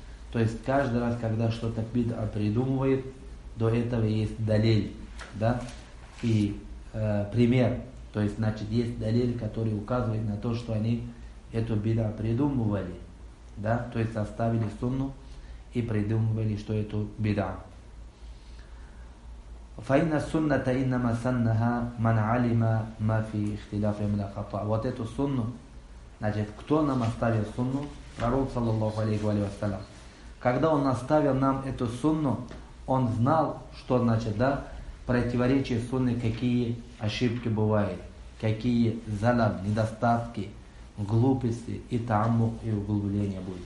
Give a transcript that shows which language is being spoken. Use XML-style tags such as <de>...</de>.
<ru>То есть каждый раз, когда что-то бид'а придумывает, до этого есть далил, да, и пример. То есть значит есть далил, который указывает на то, что они эту бид'а придумывали, да, то есть оставили сунну и придумывали, что это бид'а.</ru> <ar>فإن السنة إنما سنها من علم ما في اختلاف من الخطا.</ar> <ru>Вот эту сунну, значит, кто нам оставил сунну? Пророк, саллаллаху алейхи ва саллям. Когда он оставил нам эту сунну, он знал, что значит, да, противоречие сунны, какие ошибки бывают, какие залам, недостатки, глупости и таамму, и углубление будет.</ru>